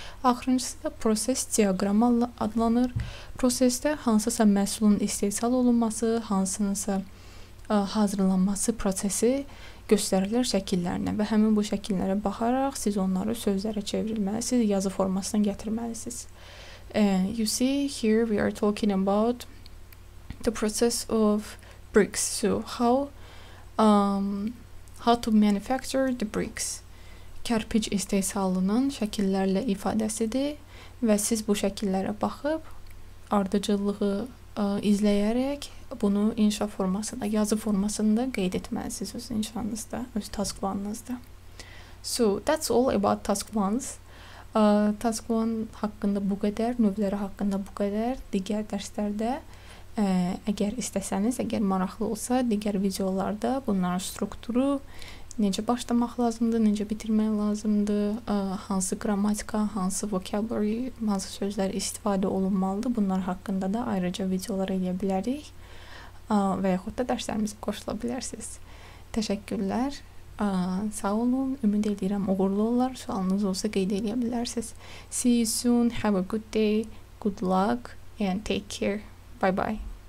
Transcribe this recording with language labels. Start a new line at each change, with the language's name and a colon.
Azerbaijani: Axırıncısı da proses diagram adlanır. Prosesdə hansısa məhsulun istehsal olunması, hansınısa hazırlanması prosesi göstərilir şəkillərinə və həmin bu şəkillərə baxaraq siz onları sözlərə çevrilməlisiniz, yazı formasına gətirməlisiniz.
English: You see, here we are talking about the process of bricks. So, how to manufacture the bricks.
Azerbaijani: Kərpic istehsalının şəkillərlə ifadəsidir və siz bu şəkillərə baxıb, ardıcıllığı izləyərək bunu inşa formasında, yazı formasında qeyd etməlisiniz öz inşanınızda, öz task one-ınızda.
English: So, that's all about task ones.
Azerbaijani: Task one haqqında bu qədər, növləri haqqında bu qədər. Digər dərslərdə əgər istəsəniz, əgər maraqlı olsa, digər videolarda bunların strukturu, necə başlamaq lazımdır, necə bitirmək lazımdır, hansı qrammatika, hansı vocabulary, hansı sözlər istifadə olunmalıdır. Bunlar haqqında da ayrıca videolar eləyə bilərik və yaxud da dərslərimizə qoşula bilərsiniz. Təşəkkürlər, sağ olun, ümid edirəm uğurlu olar, sualınız olsa qeyd eləyə bilərsiniz.
English: See you soon, have a good day, good luck and take care. Bye-bye.